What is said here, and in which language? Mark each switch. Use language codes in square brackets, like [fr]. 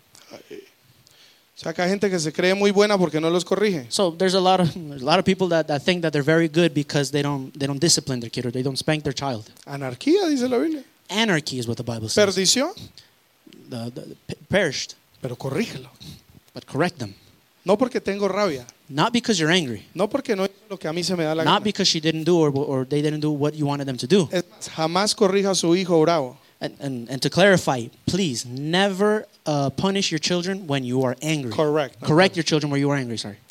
[es] O sea, que hay gente que se cree muy buena porque no los corrige. [en] So there's a lot of people that think that they're very good because they don't discipline their kid or they don't spank their child. [es] Anarquía, dice la Biblia. [en] Anarchy is what the Bible says. [es] Perdición. [en] Perished. [es] Pero corrígelo. [en] But correct them. [es] No porque tengo rabia. [en] Not because you're angry. [es] No porque no hizo lo que a mí se me da la gana. [en] Not because she didn't do or they didn't do what you wanted them to do. [es] Es más, jamás corrija a su hijo bravo. [en] And to clarify, please never punish your children when you are angry. Correct. Correct your children when you are angry, sorry.